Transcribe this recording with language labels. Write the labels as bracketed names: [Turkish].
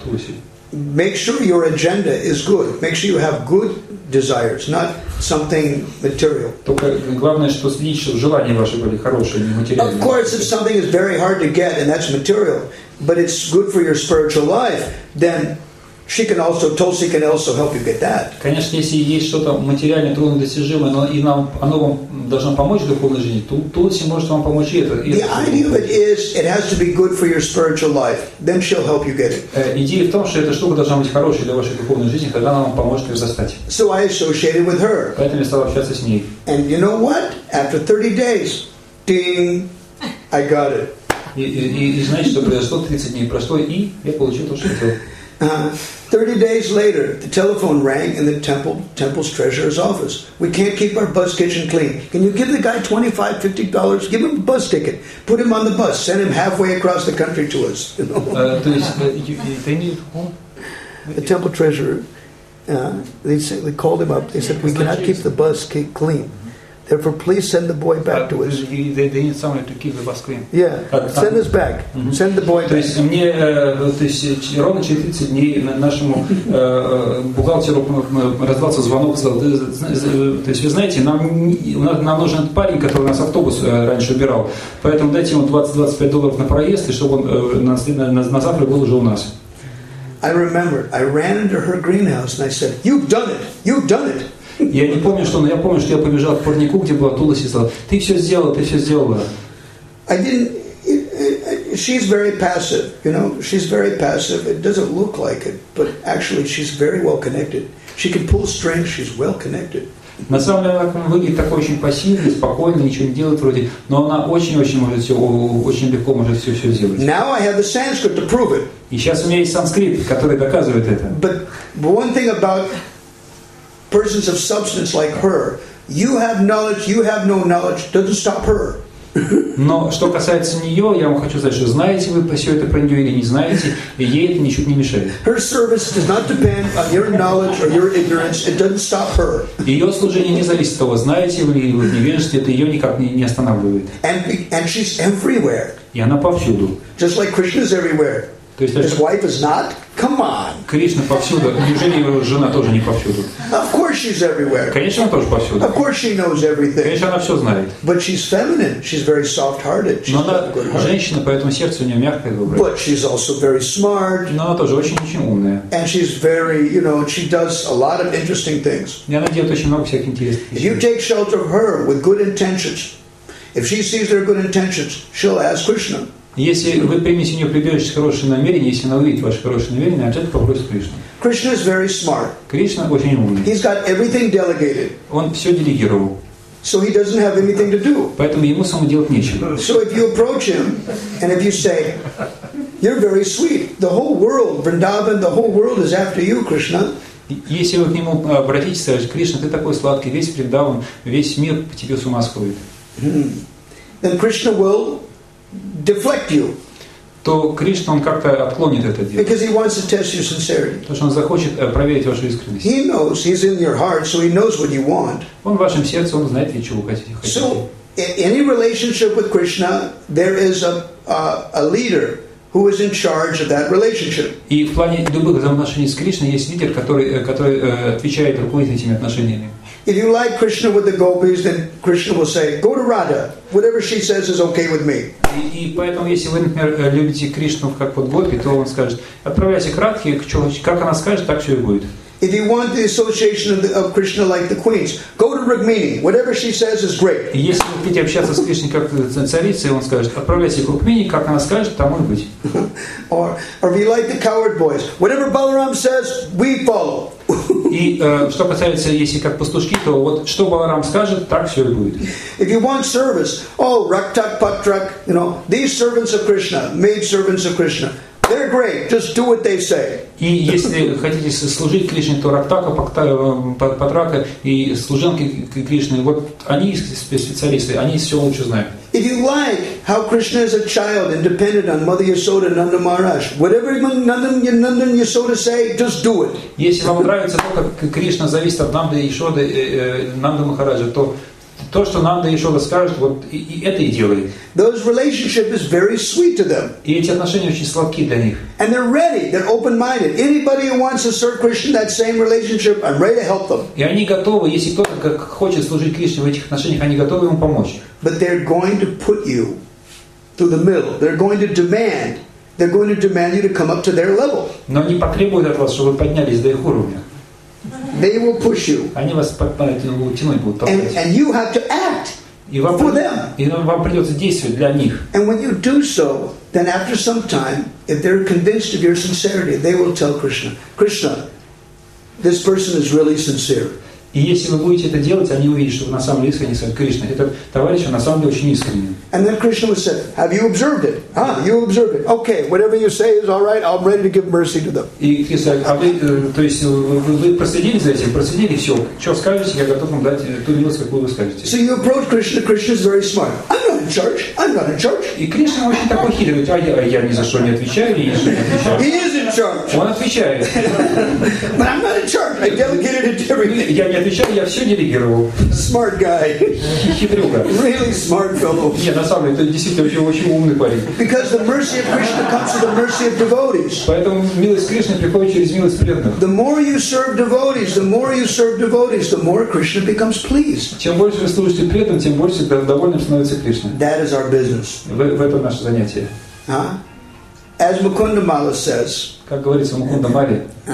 [Russian] Туси. [English] Make sure your agenda is good. Make sure you have good desires, not something material. [Russian] Только главное, что следить, чтобы желания ваши были хорошие, не материальные. [English] Of course, if something is very hard to get, and that's material, but it's good for your spiritual life, then she can also, Tulsi can also help you get that. [Russian] Конечно, если есть что-то материально труднодостижимое, но и нам оно вам должно помочь в духовной жизни, то Тулси может вам помочь и это. [English] The idea of it is, it has to be good for your spiritual life. Then she'll help you get it. [Russian] Идея в том, что эта штука должна быть хорошей для вашей духовной жизни, когда она вам поможет ее достать. [English] So I associated with her. [Russian] Поэтому я стал общаться с ней. [English] And you know what? After 30 days, ding, I got it. [Russian] И знаете, что произошло? 30 дней прошло, и я получил то, что хотел. [English] 30 days later, the telephone rang in the temple's treasurer's office. We can't keep our bus kitchen clean. Can you give the guy $25-$50? Give him a bus ticket. Put him on the bus. Send him halfway across the country to us. The temple treasurer, they called him up. They said, we cannot keep the bus clean. Therefore, please send the boy back to us. They need somebody to keep the basket. Yeah, send us back. Send the boy back. [Russian] Мне, то есть, ровно через 30 дней нашему бухгалтеру раздался звонок. То есть, вы знаете, нам нужен этот парень, который у нас автобус раньше убирал. Поэтому дайте ему 20-25 долларов на проезд, и чтобы он на завтра был уже у нас. [English] I remember, I ran into her greenhouse and I said, "You've done it! You've done it!" [Russian] Я не помню, что, но я помню, что я побежал к парнику, где была Тулась, и сказал: "Ты все сделала, ты все сделала." [English] I didn't. She's very passive, you know. She's very passive. It doesn't look like it, but actually, she's very well connected. She can pull strings. She's well connected. [Russian] На самом деле, она выглядит такой очень пассивной, спокойной, ничего не делает вроде, но она очень-очень может все, очень легко может все сделать. [English] Now I have the Sanskrit to prove it. [Russian] И сейчас у меня есть санскрит, который доказывает это. [English] But one thing about persons of substance like her, you have knowledge, you have no knowledge, doesn't stop her. [Russian] Но что касается нее, я вам хочу сказать, что знаете вы все это про нее или не знаете, ей это ничуть не мешает. [English] Her service does not depend on your knowledge or your ignorance. It doesn't stop her. [Russian] Ее служение не зависит от того, знаете вы или не верите, это ее никак не останавливает. [English] And she's everywhere. [Russian] И она повсюду. [English] Just like Krishna is everywhere. His wife is not? Come on. [Russian] Кришна повсюду. Неужели его жена тоже не повсюду? [English] Of course she's everywhere. [Russian] Конечно, она тоже повсюду. [English] Of course she knows everything. [Russian] Конечно, она все знает. [English] But she's feminine. She's very soft-hearted. She's [Russian] Но она женщина, поэтому сердце у нее мягкое и доброе. [English] But she's also very smart. [Russian] Но она тоже очень-очень умная. [English] And she's very, you know, she does a lot of interesting things. [Russian] И она делает очень много всяких интересных вещей. [English] If you take shelter of her with good intentions, if she sees their good intentions, she'll ask Krishna. [Russian] Если вы примете у нее прибежище с хорошим намерением, если она увидит ваше хорошее намерение, она обязательно попросит Кришну. [English] Krishna is very smart. [Russian] Кришна очень умный. [English] He's got everything delegated. [Russian] Он все делегировал. [English] So he doesn't have anything to do. [Russian] Поэтому ему самому делать нечего. [English] So if you approach him, and if you say, "You're very sweet. The whole world, Vrindavan, the whole world is after you, Krishna." [Russian] Если вы к нему обратитесь, скажете: "Кришна, ты такой сладкий, весь Вриндаван, весь мир по тебе с ума сходит." [English] Then Krishna will deflect you. [Russian] То Кришна, он как-то отклонит это дело. [English] Because he wants to test your sincerity. [Russian] Потому что он захочет проверить вашу искренность. [English] He knows he's in your heart, so he knows what you want. [Russian] Он в вашем сердце, он знает, чего вы хотите. [English] So, in any relationship with Krishna, there is a leader who is in charge of that relationship. [Russian] И в плане любых взаимоотношений с Кришной есть лидер, который отвечает, руководит этими отношениями. [English] If you like Krishna with the gopis, then Krishna will say, "Go to Radha. Whatever she says is okay with me." [Russian] И поэтому, если вы, например, любите Кришну как под гопи, то он скажет: "Отправляйся к Радхе, как она скажет, так все и будет." [English] If you want the association of Krishna like the queens, go to Rukmini. Whatever she says is great. [Russian] Если вы хотите общаться с Кришной как царицей, он скажет: "Отправляйся к Рукмини, как она скажет, там и будет." [English] Or if you like the coward boys, whatever Balaram says, we follow. [Russian] И что касается, если как пастушки, то вот что Баларам скажет, так все и будет. [English] If you want service, Raktak Patrak, you know, these servants of Krishna, maid servants of Krishna, they're great, just do what they say. [Russian] И если хотите служить Кришне, то Рактака, Патрака и служанки Кришны, вот они специалисты, они все лучше знают. [English] If you like how Krishna is a child and dependent on Mother Yasoda and Nanda Maharaj, whatever Nanda and Yasoda say, just do it. [Russian] Если вам нравится то, как Кришна зависит от Нанды Ясоды, Нанды Махараджа, то, что Нанда Ясода скажет, вот и это и делай. [English] Those relationship is very sweet to them. [Russian] И эти отношения очень сладкие для них. [English] And they're ready, they're open-minded. Anybody who wants to serve Krishna in that same relationship, I'm ready to help them. [Russian] И они готовы, если кто-то хочет служить Кришне в этих отношениях, они готовы ему помочь. [English] But they're going to put you through the mill. They're going to demand you to come up to their level. [Russian] Но они потребуют от вас, чтобы вы поднялись до их уровня. [English] They will push you. [Russian] Они вас подтянуть будут. [English] And you have to act for them. [Russian] И вам придется действовать для них. [English] And when you do so, then after some time, if they're convinced of your sincerity, they will tell Krishna, "Krishna, this person is really sincere." [Russian] И если вы будете это делать, они увидят, что вы на самом деле искренне, сказать: "Кришна, этот товарищ, он на самом деле очень искренен." [English] And then Krishna would say, "Have you observed it? Huh? You observed it? Okay, whatever you say is all right. I'm ready to give mercy to them." [Russian] И вы проследили за этим, проследили все. Что скажете, я готов вам дать ту милость, какую вы скажете. [English] So you approach Krishna. Krishna is very smart. I'm not in charge. [Russian] И Кришна очень такой хитрый, говорит: "А я ни за что не отвечаю, ни за что не отвечаю." [English] He is in charge. [Russian] Он отвечает. [English] But I'm not in charge. I delegated it to everybody. [Russian] Я не отвечал, я все делегировал. [English] Smart guy. [Russian] Хитрюга. [English] Really smart fellow. [Russian] Не, на самом деле, это действительно очень, очень умный парень. [English] Because the mercy of Krishna comes to the mercy of devotees. [Russian] Поэтому милость Кришны приходит через милость преданных. [English] The more you serve devotees, the more you serve devotees, the more Krishna becomes pleased. [Russian] Чем больше вы служите преданным, тем больше довольным становится Кришна. [English] That is our business. [Russian] В этом наше занятие. [English] As Mukunda Mala says. [Russian] Как говорится в Мукунда Мале.